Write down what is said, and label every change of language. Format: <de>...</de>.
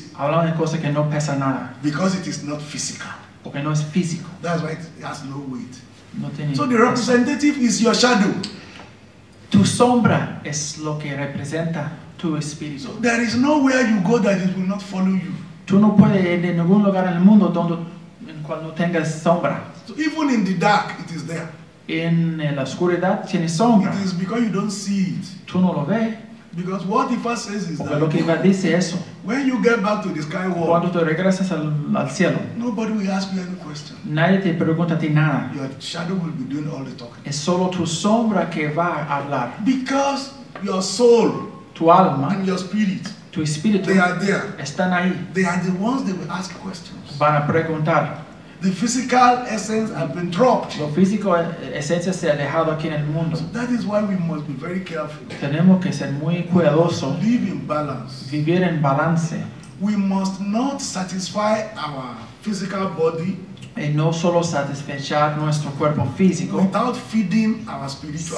<es>Hablamos de cosas que no pesa nada.</es> <en>Because it is not physical.</en> <es>Porque no es físico.</es> <en>That's why it has no weight.</en> <es>No tiene</es> <en>so the representative</en> <es>peso.</es> <en>Is your shadow.</en> <es>Tu sombra es lo que representa tu espíritu.</es> <en>So there is nowhere you go that it will not follow you.</en> <es>Tú no puedes ir de ningún lugar en el mundo donde cuando tengas sombra.</es> <en>So even in the dark, it is there.</en> <es>En la oscuridad tiene sombra.</es> <en>It is because you don't see it.</en> <es>Tú no lo ves.</es> <en>Because what Ifá says is</en> <es>porque that. Lo que Ifá dice eso.</es> <en>When you get back to the sky world.</en> <es>Cuando te regresas al cielo.</es> <en>Nobody will ask you any question.</en> <es>Nadie te pregunta a ti nada.</es> <en>Your shadow will be doing all the talking.</en> <es>Es solo tu sombra que va a hablar.</es> <en>Because your soul.</en> <es>Tu alma.</es> <en>And your spirit.</en> <es>Tu espíritu.</es> <en>They are there.</en> <es>Están ahí.</es> <en>They are the ones that will ask questions.</en> <es>Van a preguntar.</es> <en>The physical essence has been dropped.</en> <es>Lo físico esencia se ha dejado aquí en el mundo.</es> <en>So that is why we must be very careful.</en> <es>Tenemos que ser muy cuidadosos.</es> <en>Live in balance.</en> <es>Vivir en balance.</es> <en>We must not satisfy our physical body.</en> <es>Y no solo satisfechar nuestro cuerpo físico.</es> <en>Without feeding our spiritual</en>